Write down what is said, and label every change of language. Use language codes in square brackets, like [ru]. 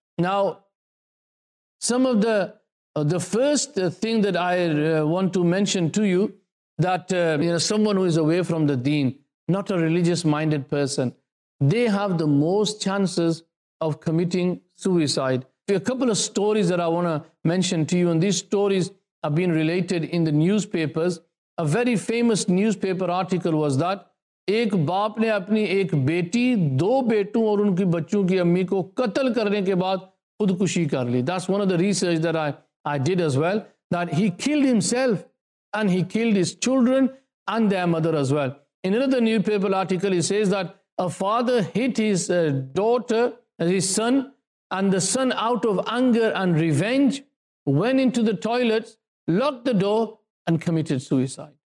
[en] Now, some of the first thing that I want to mention to you, that you know, someone who is away from the deen, not a religious-minded person, they have the most chances of committing suicide. There are a couple of stories that I want to mention to you, and these stories have been related in the newspapers. A very famous newspaper article was that [ur] ایک باپ نے اپنی ایک بیٹی دو بیٹوں اور ان کی بچوں کی امی کو قتل کرنے کے بعد خودکشی کر لی. [en] That's one of the research that I did as well, that he killed himself and he killed his children and their mother as well. In another newspaper article, he says that a father hit his daughter, his son, and the son, out of anger and revenge, went into the toilet, locked the door, and committed suicide.